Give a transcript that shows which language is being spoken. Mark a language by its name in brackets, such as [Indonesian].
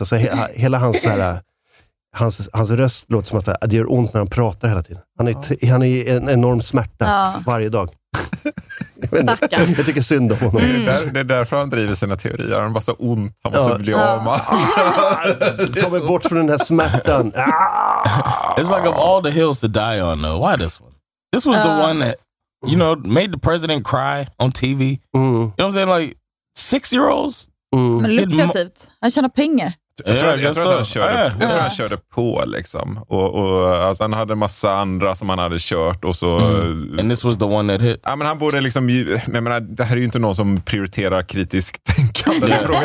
[Swedish] Alltså hela hans, så här, hans röst låter som att det gör ont när han pratar hela tiden. Han är en enorm smärta varje dag. Stackarn. Jag tycker synd om honom. Det är därför han driver sina teorier. Han är bara så ont, han måste bli av med. Ta mig bort från den här smärtan. [English] It's like of all the hills to die on though, why this one? This was the one that, you know, made the president cry on TV. You know what I'm saying, like 6-year-olds. [Swedish] Men lukrativt, han tjänar pengar. Jag tror han körde på liksom. Och alltså, han hade en massa andra som han hade kört. Och så, [English] And this was the one that hit. [Swedish] Ja, men han borde liksom, men jag menar, det här är ju inte någon som prioriterar kritiskt tänkande.